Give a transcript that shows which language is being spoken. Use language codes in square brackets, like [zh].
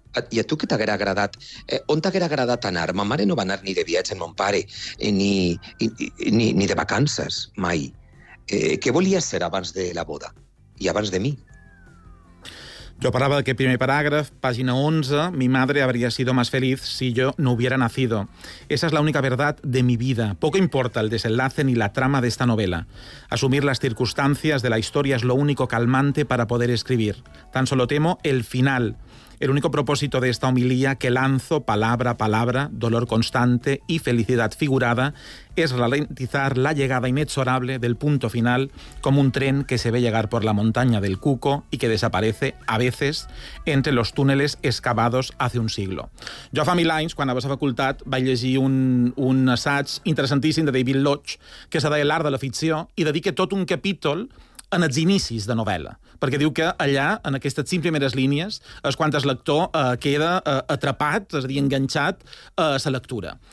[ca] I a tu què t'hagués agradat? On t'hagués agradat anar? Ma mare no va anar ni de viatge amb mon pare ni de vacances mai. Què volia ser abans de la boda i abans de mi? Jo parlava d'aquest primer paràgraf, pàgina 11, [es] mi madre habría sido más feliz si yo no hubiera nacido. Esa es la única verdad de mi vida. Poco importa el desenlace ni la trama de esta novela. Asumir las circunstancias de la historia es lo único calmante para poder escribir. Tan solo temo el final, el único propósito de esta homilía que lanzo palabra a palabra, dolor constante y felicidad figurada, es ralentizar la llegada inexorable del punto final como un tren que se ve llegar por la montaña del Cuco y que desaparece, a veces, entre los túneles excavados hace un siglo. [ca] Jo fa mil anys, quan vas a facultat, vaig llegir un assaig interessantíssim de David Lodge que se deia L'art de la ficció i dedica tot un capítol en els inicis de novel·la, perquè diu que allà, en aquestes 5 primeres línies, és quan el lector queda atrapat, és a dir, enganxat a la lectura.